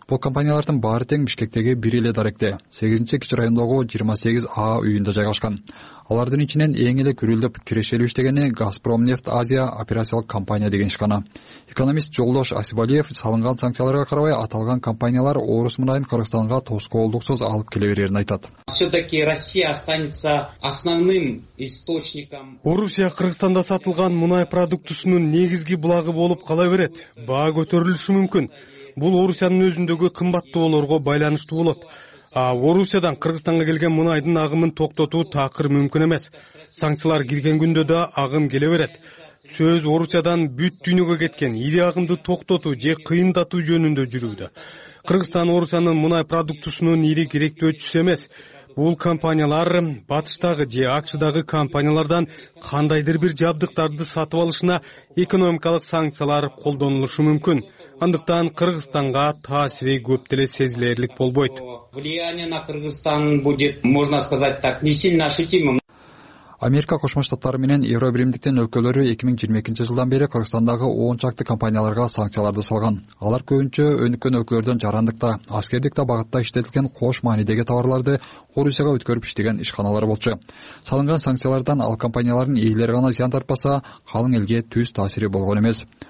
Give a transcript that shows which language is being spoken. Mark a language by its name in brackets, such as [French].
[Kyrgyz] Бул компаниялардын баары тең Бишкектеги бир эле даректе, 8-чи кичи райондогу 28А үйүндө жайгашкан. Алардын ичинен эң эле күрүлдөп кирешелүү иштегени Газпром нефт Азия операциялык компания деген ишкана. Экономист Жолдош Асибалиев салынган санкцияларга карабай аталган компаниялар орус мунайын Кыргызстанга тоскоолдуксуз алып келе берерин айтат. [Russian] Все-таки Россия останется основным источником. [Kyrgyz] Орусия Кыргызстанда сатылган мунай продуктусунун негизги булагы болуп кала берет. Баа көтөрүлүшү мүмкүн. Бул Орусиянын өзүндөгү кымбаттоолорго байланыштуу болот. А Орусиядан Кыргызстанга келген мунайдын агымын токтотуу такыр мүмкүн эмес. Санкциялар кирген күндө да агым келе берет. Сөз Орусиядан бүт дүйнөгө кеткен ири агымды токтотуу же кыйындатуу жөнүндө жүрүүдө. Кыргызстан Орусиянын мунай продуктусунун ири керектөөчүсү эмес. Бул компаниялар батыштагы же АКШдагы компаниялардан кандайдыр бир жабдыктарды сатып алышына экономикалык санкциялар колдонулушу мүмкүн. Андыктан Кыргызстанга таасири көп деле сезилерлик болбойт. [Russian] Влияние на Кыргызстан будет, можно сказать так, не сильно ощутимым. [Kyrgyz] Америка Кошмо Штаттары менен Евробиримдиктин өлкөлөрү 2022 жылдан бери Кыргызстандагы 10 чакты компанияларга санкцияларды салган. Алар көбүнчө өнүккөн өлкөлөрдөн жарандыкта, аскердикте багытта иштетилген кош маанидеги товарларды Орусияга өткөрүп иштеген ишканалары болчу. Салынган санкциялардан ал компаниялардын ийлери гана зыян тартпаса, калың элге түз таасири болгон эмес.